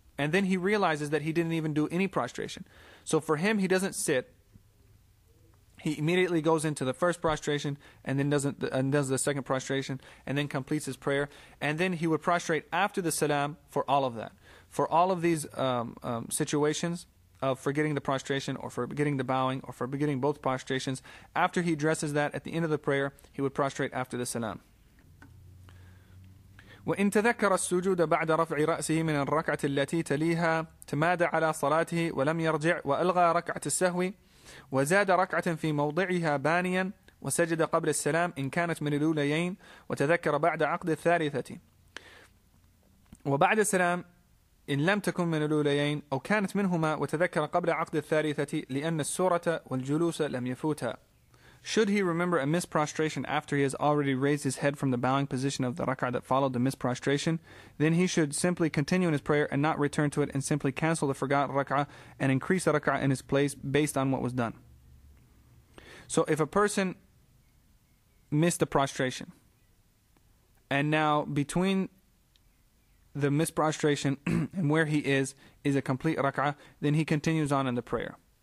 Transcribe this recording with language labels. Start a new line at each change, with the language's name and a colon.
English: And then he realizes that he didn't even do any prostration. So for him, he doesn't sit, he immediately goes into the first prostration, and then does the second prostration, and then completes his prayer, and then he would prostrate after the salam for all of that. For all of these situations, of forgetting the prostration or forgetting the bowing or forgetting both prostrations, after he addresses that at the end of the prayer, he would prostrate after the salam.
Arabic: وَإِنْ تَذَكَّرَ السُّجُودَ بَعْدَ رَفْعِ رَأْسِهِ مِنَ الرَّكْعَةِ الَّتِي تَلِيهَا تَمَادَ عَلَى صَلَاتِهِ وَلَمْ يَرْجِعْ وَأَلْغَى رَكْعَةَ السَّهْوِ وَزَادَ رَكْعَةً فِي مَوْضِعِهَا بَانِيًا وَسَجَدَ قَبْلَ السَّلَامِ إِنْ كَانَتْ مِنَ الْأُولَيَيْنِ وَتَذَكَّرَ بَعْدَ عَقْدِ الثَّالِثَةِ وَبَعْدَ السَّلَامِ إن لم تكن من الأوليين أو كانت منهما وتذكر قبل عقد الثالثة لأن السورة والجلوس لم يفوتا.
English: Should he remember a missed prostration after he has already raised his head from the bowing position of the rak'ah that followed the missed prostration, then he should simply continue in his prayer and not return to it and simply cancel the forgot rak'ah and increase the rak'ah in his place based on what was done. So if a person missed the prostration and now between the missed prostration and where he is a complete rak'ah, then he continues on in the prayer.